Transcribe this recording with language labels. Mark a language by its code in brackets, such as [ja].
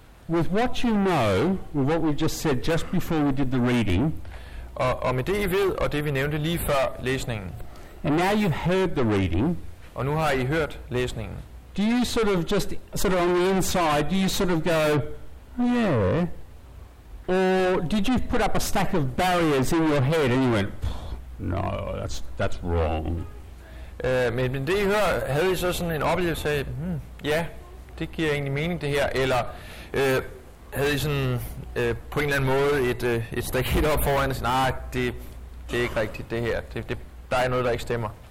[en] With what you know, with what we just said just before we did the reading, [da] og med det I ved og det vi nævnte lige før læsningen. [en] And now you've heard the reading. [da] Og nu har I hørt læsningen. [en] Do you sort of just sort of on the inside, do you sort of go, yeah? Or did you put up a stack of barriers in your head and you went, no, that's wrong? [da] Men det I hører, havde I så sådan en oplevelse af, ja, det giver egentlig mening det her, eller havde I sådan på en eller anden måde et staket op foran og sagde, nej, det er ikke rigtigt det her, der er noget, der ikke stemmer.